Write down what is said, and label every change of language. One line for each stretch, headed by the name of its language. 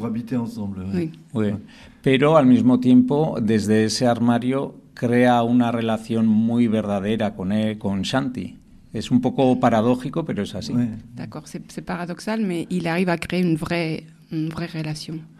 French: Pour habiter ensemble. Oui.
Spanish: Pero al mismo tiempo, desde ese armario crea una relación muy verdadera con él, con Shanti. Es un poco paradójico, pero es así.
French: D'accord, c'est paradoxal, mais il arrive à créer une vraie relation.